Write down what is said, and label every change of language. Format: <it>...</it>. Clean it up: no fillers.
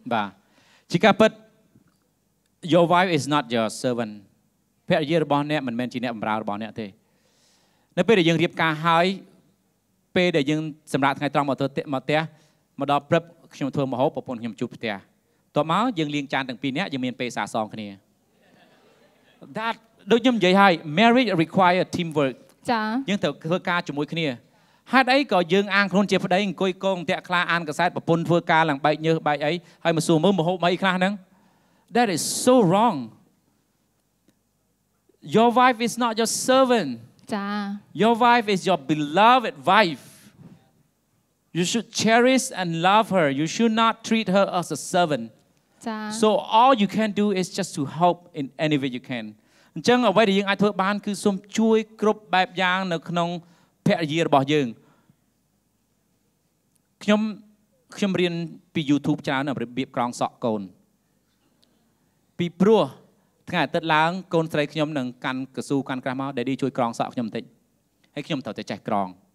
<km>បាទជាការពិត</km> <en>Your wife is not your servant</en> <km>ភរិយារបស់អ្នកមិនមែនជាអ្នកបម្រើរបស់អ្នកទេនៅពេលដែលយើងរៀបការហើយពេលដែលយើងសម្រាប់ថ្ងៃត្រង់មកទៅមកផ្ទះមកដល់ព្រឹកខ្ញុំធ្វើម្ហូបប្រពន្ធខ្ញុំជួបផ្ទះតោះមកយើងលាងចានទាំងពីរនាក់យើងមានពេលសាសងគ្នា That ដូចខ្ញុំនិយាយហើយ</km> <en>marriage require teamwork</en> <km>ចា៎យើងត្រូវធ្វើការជាមួយគ្នា ហេតុអីក៏យើងអានខ្លួនជាប្តីអង្គុយកងតាក់ខ្លាអានកសែតប្រពន្ធធ្វើការឡើងបែកញើសបែកអីហើយមកសួរមើលមហូបអីខ្លះហ្នឹង</km> <en>That is so wrong. Your wife is not your servant.</en> <km>ចា</km> <en>Your wife is your beloved wife. You should cherish and love her. You should not treat her as a servant.</en> <km>ចា</km> <en>So all you can do is just to help in any way you can.</en> <km>អញ្ចឹងអ្វីដែលយើងអាចធ្វើបានគឺសូមជួយគ្រប់បែបយ៉ាងនៅក្នុងភរិយារបស់យើងខ្ញុំរៀនពី YouTube ច្រើនអំពីរបៀបក្រងសក់កូនពីព្រោះថ្ងៃអាទិត្យឡើងកូនស្រីខ្ញុំនឹងកាន់កស៊ូកាន់ក្រាស់មកដេឌីជួយក្រងសក់ខ្ញុំបន្តិចហើយខ្ញុំត្រូវតែចេះក្រង</km>